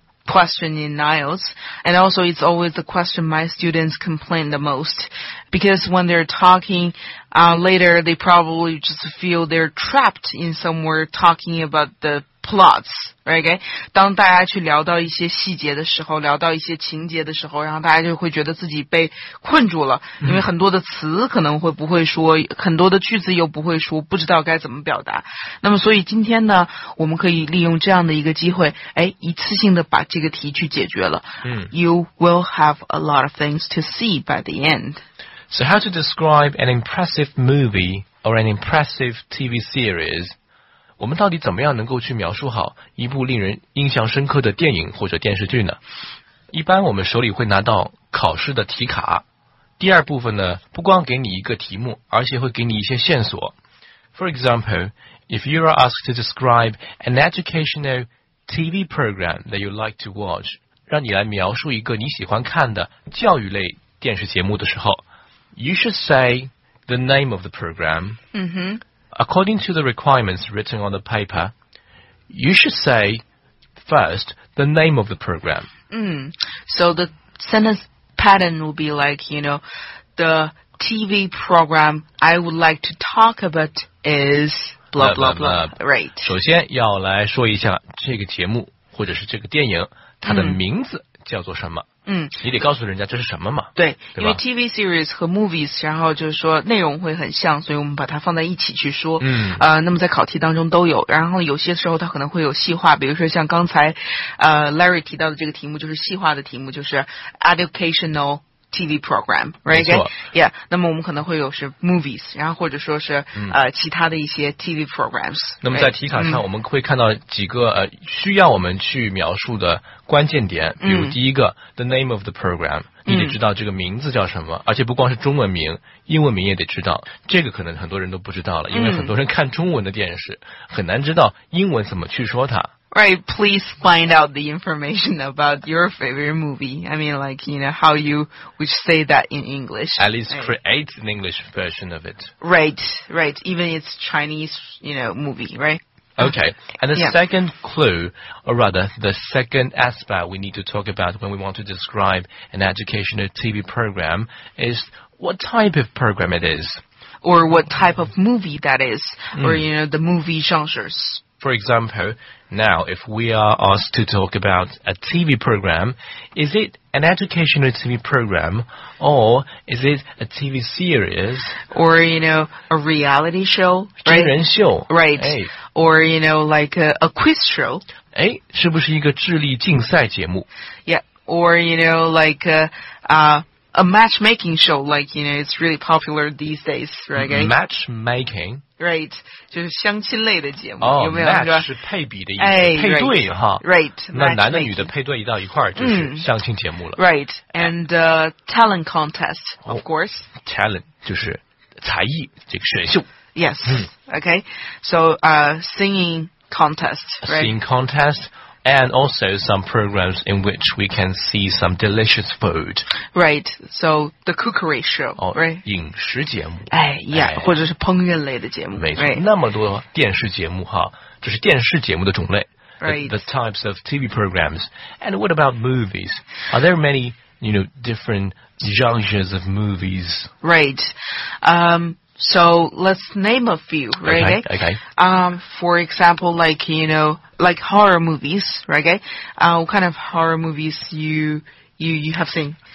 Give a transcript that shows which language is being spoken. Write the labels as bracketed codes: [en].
[en] Question in IELTS, and also it's always the question my students complain the most, because when they're talking, later they probably just feel they're trapped in somewhere talking about the plots, right? [zh] 当大家去聊到一些细节的时候，聊到一些情节的时候，然后大家就会觉得自己被困住了，因为很多的词可能会不会说，很多的句子又不会说，不知道该怎么表达。那么所以今天呢，我们可以利用这样的一个机会，哎，一次性的把这个题去解决了。 [en] You will have a lot of things to see by the end. So how to describe an impressive movie or an impressive TV series? [zh] 我们到底怎么样能够去描述好一部令人印象深刻的电影或者电视剧呢？一般我们手里会拿到考试的题卡，第二部分呢，不光给你一个题目，而且会给你一些线索。 [en] For example, if you are asked to describe an educational TV program that you like to watch, [zh] 让你来描述一个你喜欢看的教育类电视节目的时候， [en] you should say the name of the program. Mm-hmm. According to the requirements written on the paper, you should say first the name of the program. So the sentence pattern will be like, you know, the TV program I would like to talk about is blah, blah, blah. Right. [zh] 首先要来说一下这个节目或者是这个电影它的名字叫做什么。你得告诉人家这是什么嘛。对, 因为 TV series 和 movies, 然后就是说内容会很像，所以我们把它放在一起去说。那么在考题当中都有，然后有些时候它可能会有细化，比如说像刚才Larry 提到的这个题目就是细化的题目，就是 educational TV program, right? Yeah, 那么我们可能会有是 movies, 然后或者说是其他的一些 TV programs. 那么在题卡上我们会看到几个需要我们去描述的关键点，比如第一个 [en] the name of the program, [zh] 你得知道这个名字叫什么，而且不光是中文名，英文名也得知道，这个可能很多人都不知道了，因为很多人看中文的电视很难知道英文怎么去说它。 [en] Right, please find out the information about your favorite movie. I mean, like, you know, how you would say that in English. At least create an English version of it. Right, right. Even it's Chinese, you know, movie, right? Okay. And the second clue, or rather, the second aspect we need to talk about when we want to describe an educational TV program is what type of program it is. Or what type of movie that is. Or, you know, the movie genres. For example, now, if we are asked to talk about a TV program, is it an educational TV program, or is it a TV series? Or, you know, a reality show? [zh] 真人秀 [en] Right. Or, you know, like a quiz show. [zh] 哎，是不是一个智力竞赛节目 [en] Yeah. Or, you know, like a matchmaking show, like, you know, it's really popular these days, right? Matchmaking? [zh] Right, 就是相亲类的节目、 oh, 有没有 match 是配比的意思、配对 [en] right, 哈 right, [zh] 那男的女的配对一到一块就是相亲节目了 [en] Right, and talent contest, of course、 [zh] oh, Talent 就是才艺这个选秀 [en] Yes,、okay, so singing contest、right? Singing contest and also some programs in which we can see some delicious food. Right, so the cookery show,、 oh, right? [zh] 饮食节目。哎呀、哎、或者是烹饪类的节目。没错、 [en] right. [zh] 那么多电视节目哈，这是电视节目的种类。 [en] Right. The types of TV programs. And what about movies? Are there many, you know, different genres of movies? Right. So let's name a few, right? Okay. For example, like, you know, like horror movies, right? What kind of horror movies you have seen?